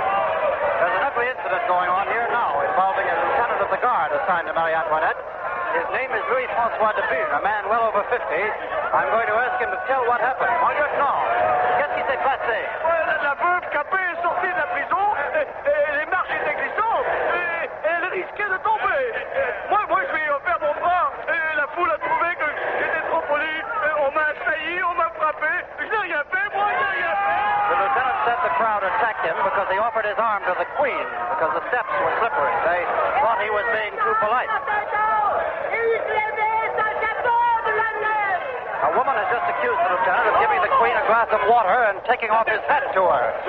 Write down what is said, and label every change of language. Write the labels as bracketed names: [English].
[English] There's an ugly incident going on here now involving a lieutenant of the guard assigned to Marie Antoinette. His name is Louis-François de Bune, a man well over 50. I'm going to ask him to tell what happened. [French] Margaret, no. Qu'est-ce qui s'est passé? La veuve Capet est sortie de la prison. Les marches étaient glissantes. Elle risquait de tomber. Moi, je suis offert mon bras. La foule a trouvé que j'étais trop poli. On m'a assailli, on m'a frappé. Je n'ai rien fait, moi, je n'ai rien fait. [English] The lieutenant said the crowd attacked him because he offered his arm to the queen because the steps were slippery. They thought he was being too polite. A woman has just accused the lieutenant of giving the queen a glass of water and taking off his hat to her.